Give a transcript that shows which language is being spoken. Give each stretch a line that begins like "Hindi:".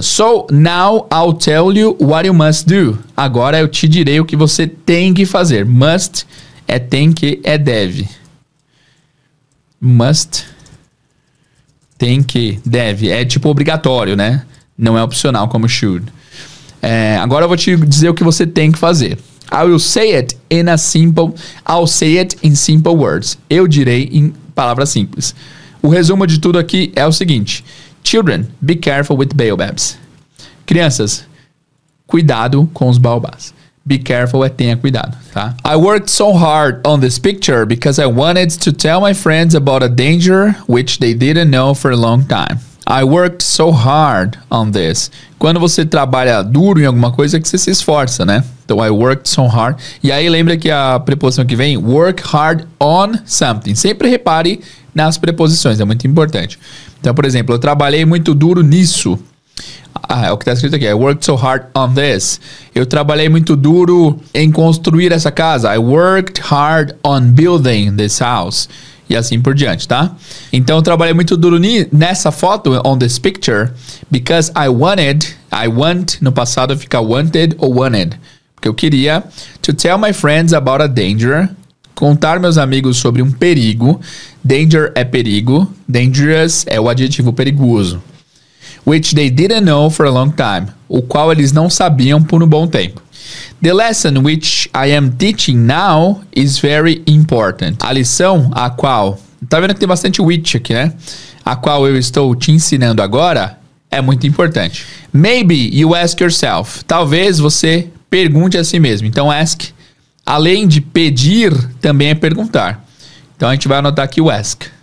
English: So, now I'll tell you what you must do.
Portuguese: Agora eu te direi o que você tem que fazer. Must é tem que, é deve. Must, tem que, deve. É tipo obrigatório, né? Não é opcional como should. Agora eu vou te dizer o que você tem que fazer.
English: I will say it in a simple... I'll say it in simple words.
Portuguese: Eu direi em palavras simples. O resumo de tudo aqui é o seguinte.
English: Children, be careful with baobabs.
Portuguese: Crianças, cuidado com os baobás. Be careful é tenha cuidado, tá?
English: I worked so hard on this picture because I wanted to tell my friends about a danger which they didn't know for a long time. I worked so hard on this.
Portuguese: Quando você trabalha duro em alguma coisa, é que você se esforça, né? Então,
English: I worked so hard.
Portuguese: E aí, lembra que a preposição que vem,
English: work hard on something.
Portuguese: Sempre repare nas preposições, é muito importante. Então, por exemplo, eu trabalhei muito duro nisso. Ah, é o que está escrito aqui.
English: I worked so hard on this.
Portuguese: Eu trabalhei muito duro em construir essa casa.
English: I worked hard on building this house.
Portuguese: E assim por diante, tá? Então, eu trabalhei muito duro nessa foto,
English: on this picture, because I want,
Portuguese: no passado fica wanted ou wanted, porque eu queria
English: to tell my friends about a danger,
Portuguese: contar meus amigos sobre um perigo. Danger é perigo. Dangerous é o adjetivo perigoso.
English: Which they didn't know for a long time.
Portuguese: O qual eles não sabiam por um bom tempo.
English: The lesson which I am teaching now is very important.
Portuguese: A lição a qual... Tá vendo que tem bastante which aqui, né? A qual eu estou te ensinando agora é muito importante.
English: Maybe you ask yourself.
Portuguese: Talvez você pergunte a si mesmo. Então ask, além de pedir, também é perguntar. Então a gente vai anotar aqui o ask.